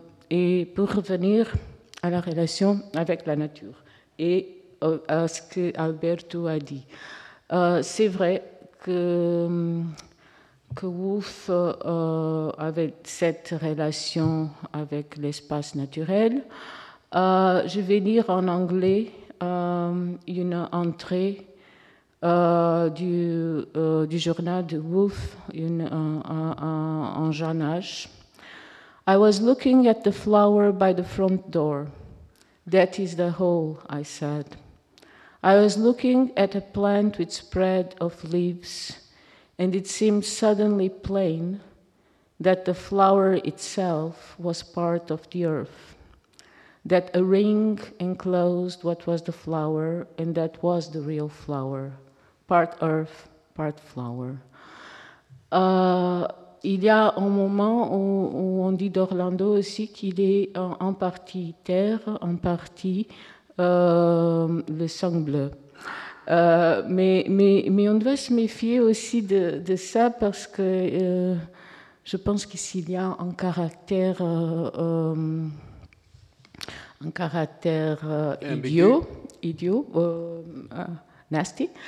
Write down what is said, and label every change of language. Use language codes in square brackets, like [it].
[fr] Et pour revenir à la relation avec la nature et à ce que Alberto a dit, c'est vrai que Wolf avait cette relation avec l'espace naturel. Je vais lire en anglais une entrée du journal de Wolf, un Jean H. [en] I was looking at the flower by the front door. That is the hole, I said. I was looking at a plant with spread of leaves, and it seemed suddenly plain that the flower itself was part of the earth, that a ring enclosed what was the flower, and that was the real flower, part earth, part flower. [fr] Il y a un moment où on dit d'Orlando aussi qu'il est en partie terre, en partie le sang bleu. Mais on doit se méfier aussi de ça parce que je pense qu'il y a un caractère idiot, nasty,